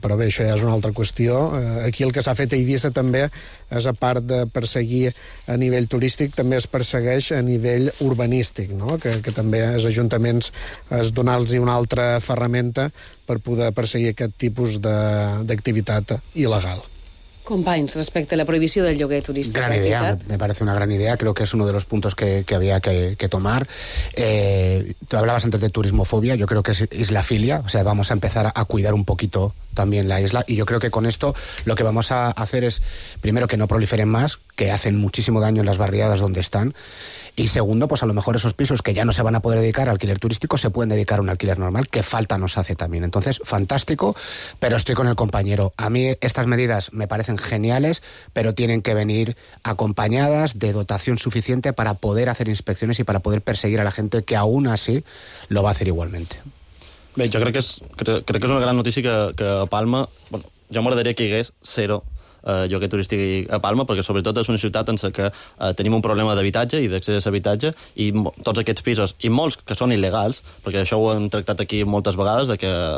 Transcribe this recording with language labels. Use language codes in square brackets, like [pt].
[ca] Però bé, això ja és una altra qüestió. Aquí el que s'ha fet a Eivissa també és, a part de perseguir a nivell turístic, també es persegueix a nivell urbanístic, no? que també els ajuntaments es donar-los una altra ferramenta per poder perseguir aquest tipus d'activitat il·legal. Companys, respecte a la prohibició del lloguer turístic. [es] Gran idea, me parece una gran idea. Creo que es uno de los puntos que había que tomar. Tú hablabas antes de turismofobia, yo creo que es islafilia, o sea, vamos a empezar a cuidar un poquito también la isla, y yo creo que con esto lo que vamos a hacer es, primero, que no proliferen más, que hacen muchísimo daño en las barriadas donde están, y segundo, pues a lo mejor esos pisos que ya no se van a poder dedicar al alquiler turístico, se pueden dedicar a un alquiler normal, que falta nos hace también. Entonces, fantástico, pero estoy con el compañero. A mí estas medidas me parecen geniales, pero tienen que venir acompañadas de dotación suficiente para poder hacer inspecciones y para poder perseguir a la gente que aún así lo va a hacer igualmente. [ca] Bé, jo crec que és una gran notícia que a Palma... Bueno, jo m'agradaria que hi hagués zero lloguer turístic a Palma, perquè sobretot és una ciutat en la que tenim un problema d'habitatge i d'accés a habitatge, i tots aquests pisos, i molts que són il·legals, perquè això ho hem tractat aquí moltes vegades, de que